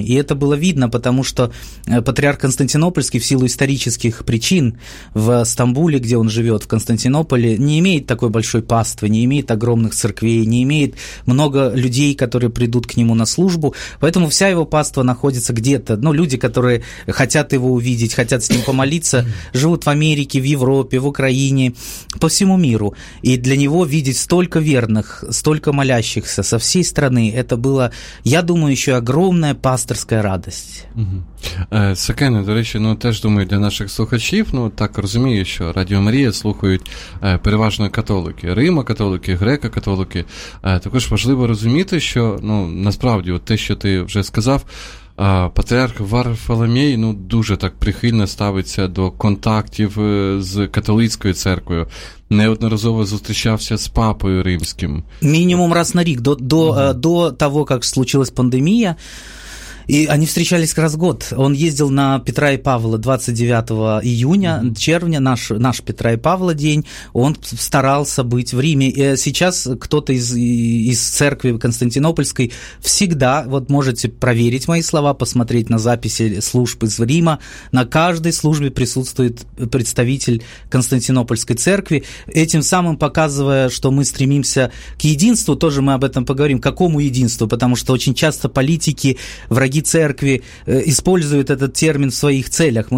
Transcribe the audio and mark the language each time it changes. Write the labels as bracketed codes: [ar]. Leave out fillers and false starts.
[ru] И это было видно, потому что патриарх Константинопольский в силу исторических причин в Стамбуле, где он живет, в Константинополе, не имеет такой большой паствы, не имеет огромных церквей, не имеет много людей, которые придут к нему на службу, поэтому вся его паства находится где-то, ну, люди, которые хотят его увидеть, хотят с ним помолиться, живут в Америке, в Европе, в Украине, по всему миру, и для него видеть столько верных, столько молящихся со всей страны, это было, я думаю, еще огромная пастырская радость. [uk] Сакене, до речі, ну теж думаю, для наших слухачів, ну так розумію, що Радіо Марія слухають переважно католики, римо-католики, греко-католики. Також важливо розуміти, що ну насправді, от те, що ти вже сказав, патріарх Варфоломій, ну дуже так прихильно ставиться до контактів з католицькою церквою. Неодноразово зустрічався з папою римським. Мінімум раз на рік, до того, як случилась пандемія. [ru] И они встречались как раз год. Он ездил на Петра и Павла 29 июня, червня, наш Петра и Павла день, он старался быть в Риме. И сейчас кто-то из церкви Константинопольской всегда, вот можете проверить мои слова, посмотреть на записи служб из Рима, на каждой службе присутствует представитель Константинопольской церкви, этим самым показывая, что мы стремимся к единству, тоже мы об этом поговорим, к какому единству, потому что очень часто политики, враги церкви используют этот термин в своих целях.